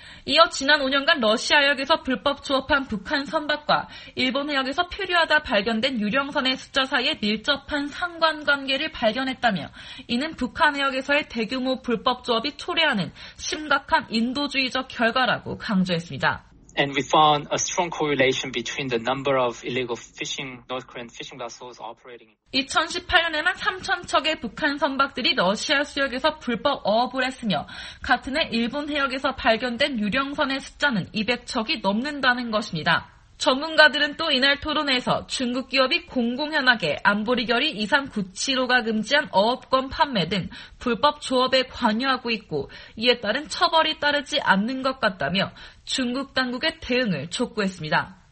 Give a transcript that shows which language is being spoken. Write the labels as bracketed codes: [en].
[ko] 이어 지난 5년간 러시아 해역에서 불법 조업한 북한 선박과 일본 해역에서 표류하다 발견된 유령선의 숫자 사이에 밀접한 상관관계를 발견했다며 이는 북한 해역에서의 대규모 불법 조업이 초래하는 심각한 인도주의적 결과라고 강조했습니다. [en] And we found a strong correlation between the number of illegal fishing North Korean fishing vessels operating. [ko] 2018년에만 3천 척의 북한 선박들이 러시아 수역에서 불법 어업을 했으며 같은 해 일본 해역에서 발견된 유령선의 숫자는 200척이 넘는다는 것입니다. 전문가들은 또 이날 토론회에서 중국 기업이 공공연하게 안보리 결의 2397호가 금지한 어업권 판매 등 불법 조업에 관여하고 있고 이에 따른 처벌이 따르지 않는 것 같다며 중국 당국의 대응을 촉구했습니다.